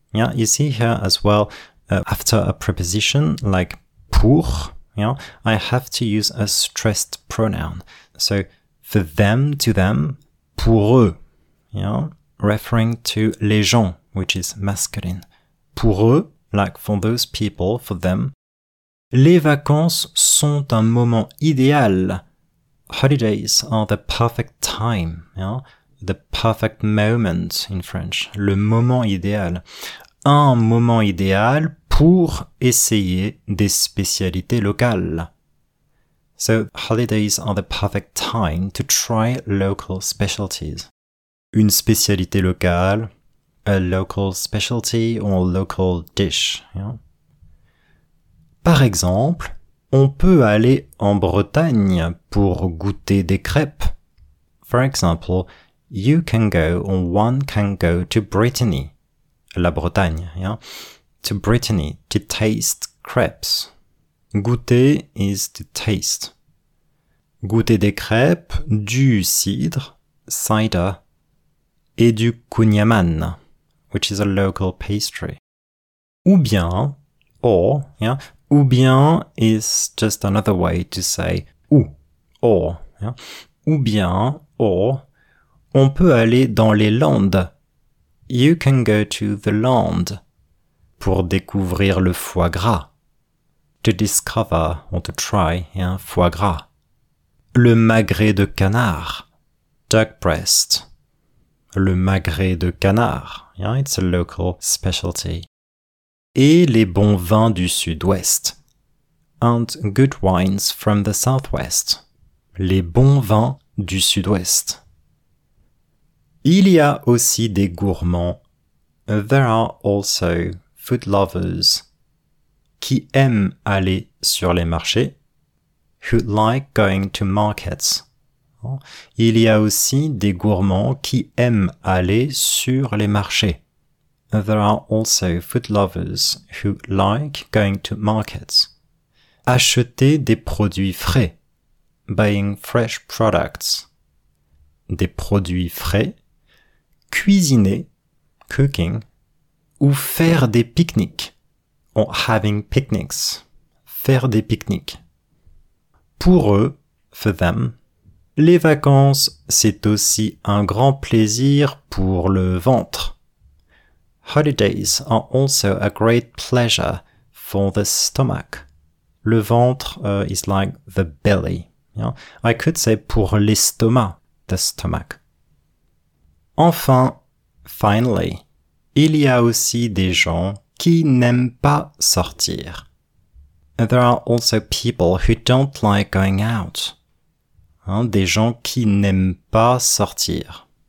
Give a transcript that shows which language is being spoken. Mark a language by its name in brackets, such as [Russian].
[English] Yeah, you see here as well, after a preposition like pour, yeah, I have to use a stressed pronoun. So, for them, to them, [French] pour eux, [English] yeah, referring to les gens, which is masculine. [French] Pour eux, [English] like for those people, for them. [French] Les vacances sont un moment idéal. [English] Holidays are the perfect time, yeah? The perfect moment in French. [French] Le moment idéal. Un moment idéal pour essayer des spécialités locales. [English] So, holidays are the perfect time to try local specialties. Une spécialité locale, a local specialty or local dish. Yeah? [French] Par exemple, on peut aller en Bretagne pour goûter des crêpes. [English] For example, you can go or one can go to Brittany. La Bretagne, yeah? To Brittany, to taste crepes. Goûter is to taste. [French] Goûter des crêpes, du cidre, [English] cider, [French] et du kunyaman, [English] which is a local pastry. Ou bien, or, yeah? Ou bien is just another way to say ou, or. Yeah? [French] Ou bien, or, on peut aller dans les Landes. [English] You can go to the Landes [French] pour découvrir le foie gras. [English] To discover or to try, yeah, foie gras. [French] Le magret de canard. [English] Duck breast. [French] Le magret de canard. [English] Yeah, it's a local specialty. [French] Et les bons vins du sud-ouest. [English] And good wines from the southwest. [French] Les bons vins du sud-ouest. Il y a aussi des gourmands. [English] There are also food lovers [French] qui aiment aller sur les marchés. [English] Who like going to markets. [French] Il y a aussi des gourmands qui aiment aller sur les marchés. [English] There are also food lovers who like going to markets. [French] Acheter des produits frais. [English] Buying fresh products. [French] Des produits frais. Cuisiner, [English] cooking, [French] ou faire des pique-niques, [English] or having picnics, [French] faire des pique-niques. Pour eux, [English] for them, [French] les vacances, c'est aussi un grand plaisir pour le ventre. [English] Holidays are also a great pleasure for the stomach. Le ventre is like the belly. You know? I could say pour l'estomac, the stomach. [French] Enfin, [English] finally, [French] il y a aussi des gens qui n'aiment pas sortir. [English] There are also people who don't like going out. [French] Hein, des gens qui n'aiment pas sortir.